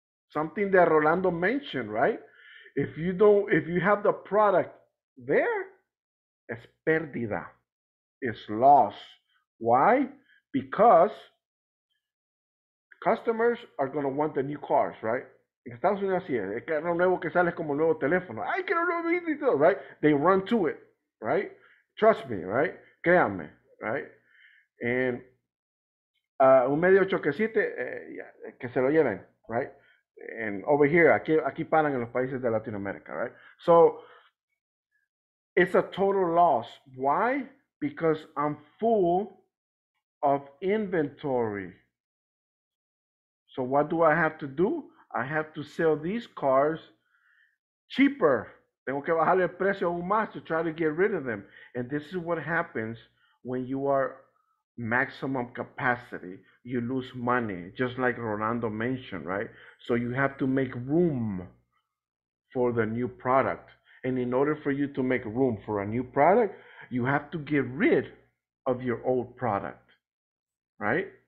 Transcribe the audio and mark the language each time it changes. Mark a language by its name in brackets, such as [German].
[English] Something that Rolando mentioned, right? If you have the product there, [Spanish] es pérdida. [English] It's loss. Why? Because customers are going to want the new cars, right? [Spanish] En Estados Unidos así es. El carro nuevo que sale es como el nuevo teléfono. Ay, quiero un nuevo teléfono, [English] right? They run to it, right? Trust me, right? [Spanish] Créanme, [English] right? [Spanish] And un medio choquecito, que se lo lleven, right? [English] And over here, [Spanish] aquí paran en los países de Latinoamérica, [English] right? So, it's a total loss. Why? Because I'm full of inventory. So what do I have to do? I have to sell these cars cheaper. [Spanish] Tengo que bajar el precio aún más [English] to try to get rid of them. And this is what happens when you are maximum capacity. You lose money, just like Rolando mentioned, right? So you have to make room for the new product. And in order for you to make room for a new product, you have to get rid of your old product, right?